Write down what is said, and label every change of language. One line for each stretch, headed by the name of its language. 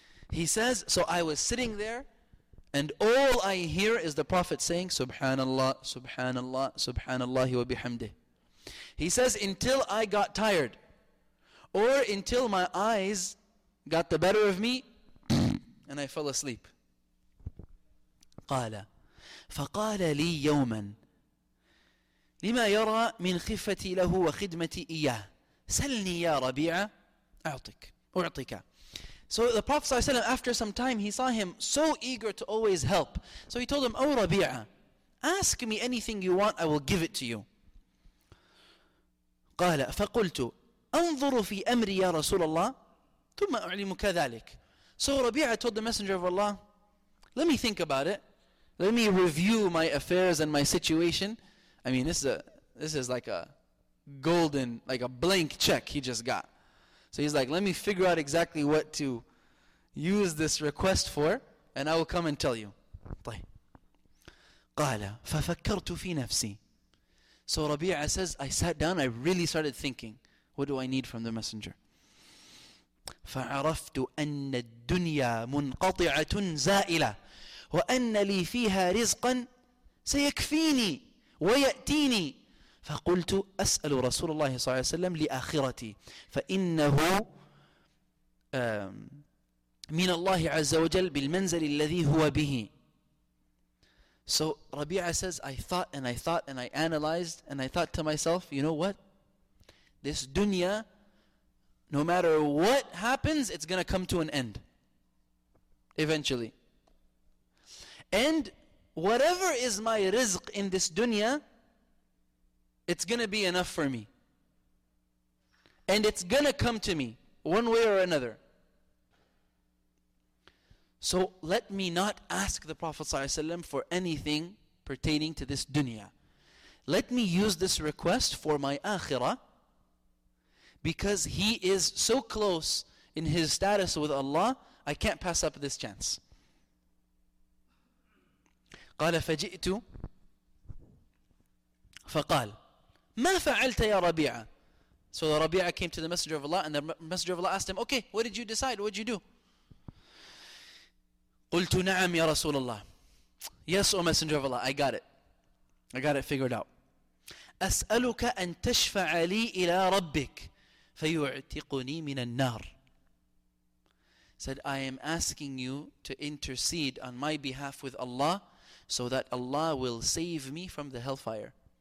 English: He says, so I was sitting there, and all I hear is the Prophet saying,
Arabic: Subhanallah, Subhanallah, Subhanallah wa bihamdih.
English: He says, until I got tired, or until my eyes got the better of me, and I fell asleep.
Arabic: قال فقال لي يوما لما يرى من خفتي له وخدمتي إياه سلني يا ربيعة أعطيك أعطيك.
English: So the Prophet ﷺ, after some time, he saw him so eager to always help. So he told him, O Rabi'a, ask me anything you want, I will give it to you.
Arabic: قال فقلت أنظر في أمري يا رسول الله ثم أعلمك ذلك.
English: So Rabi'a told the Messenger of Allah, let me think about it. Let me review my affairs and my situation. I mean, this is like a golden, like a blank check he just got. So he's like, let me figure out exactly what to use this request for, and I will come and tell you.
Arabic: قال ففكرت في نفسي.
English: So Rabi'a says, I sat down, I really started thinking, what do I need from the Messenger?
Arabic: فعرفت أن الدنيا منقطعة زائلة وأن لي فيها رزقا سيكفيني ويأتيني. فقلت أسأل رسول الله صلى الله عليه وسلم لآخرتي فإنه من الله عز وجل بالمنزل الذي هو به.
English: So Rabi'a says, I thought and I thought and I analyzed and I thought to myself, you know what? This dunya, no matter what happens, it's going to come to an end eventually. And whatever is my rizq in this dunya, it's going to be enough for me. And it's going to come to me one way or another. So let me not ask the Prophet ﷺ for anything pertaining to this dunya. Let me use this request for my akhirah, because he is so close in his status with Allah, I can't pass up this chance.
Arabic: قال فجئت فقال ما فعلت يا ربيعة.
English: So the Rabi'ah came to the Messenger of Allah, and the Messenger of Allah asked him, okay, what did you decide? What did you do?
Arabic: قلت نعم يا رسول الله.
English: Yes, O Messenger of Allah, I got it figured out.
Arabic: أسألك أن تشفع لي إلى ربك فيعتقني من النار.
English: Said, I am asking you to intercede on my behalf with Allah so that Allah will save me from the hellfire.